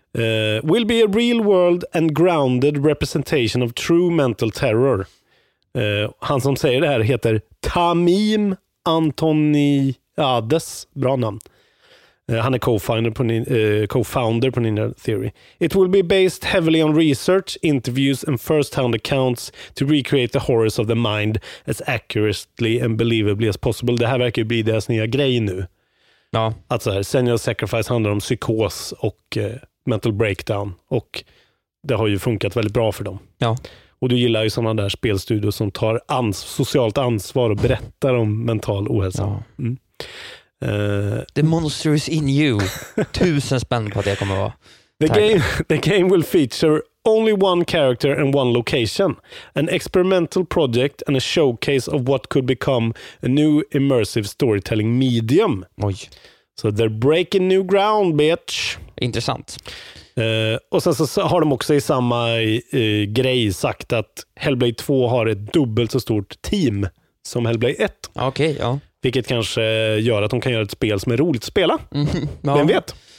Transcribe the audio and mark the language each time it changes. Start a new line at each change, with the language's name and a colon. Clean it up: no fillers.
English: Will be a real world and grounded representation of true mental terror.
Swedish: Han som säger det här heter Tamim Antoniades. Bra namn. Han är co-founder på Ninja Theory.
English: It will be based heavily on research, interviews and first-hand accounts to recreate the horrors of the mind as accurately and believably as possible.
Swedish: Det här verkar ju bli deras nya grej nu. Ja. Att så här, Senior Sacrifice handlar om psykos och
English: mental breakdown.
Swedish: Och det har ju funkat väldigt bra för dem. Ja. Och du gillar ju sådana där spelstudios som tar socialt ansvar och berättar om mental ohälsa. Ja. Mm.
English: The monster is in you.
Swedish: 1000 spänn på att det kommer vara.
English: The game will feature only one character and one location. An experimental project and a showcase of what could become a new immersive storytelling medium. Oj. So they're breaking new ground, bitch.
Swedish: Intressant. Och sen så har de också i samma grej sagt att Hellblade 2 har ett dubbelt så stort team som Hellblade 1. Okej, okay, ja. Vilket kanske gör att de kan göra ett spel som är roligt att spela. Mm, ja. Vem vet?